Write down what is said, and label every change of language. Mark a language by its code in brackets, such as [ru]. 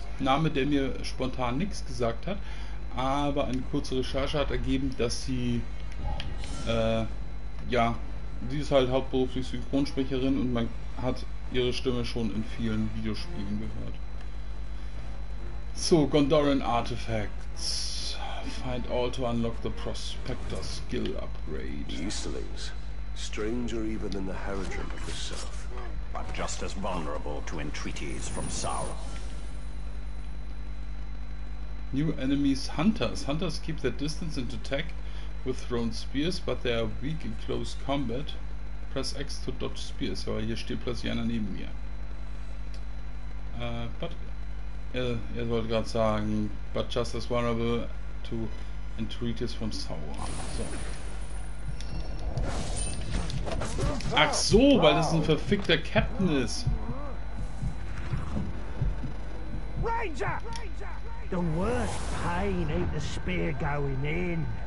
[de] Name, der mir spontan nichts gesagt hat. Aber eine kurze Recherche hat ergeben, dass sie sie ist halt hauptberuflich Synchronsprecherin und man hat ihre Stimme schon in vielen Videospielen gehört. [en] So, Gondorian Artifacts. Find all to unlock the Prospector skill upgrade. Easterlings. Stranger even than the Harridan of the South. But just as vulnerable to entreaties from Sauron. New enemies, hunters. Hunters keep their distance and attack with thrown spears, but they are weak in close combat. Press X to dodge spears. [de] Aber hier steht plötzlich einer neben mir. Er wollte gerade sagen, [en] but just as vulnerable to entreaties from Sauron. [de] So. Ach so, weil das ein verfickter Captain ist. [en] Ranger! The worst pain ain't the spear going in.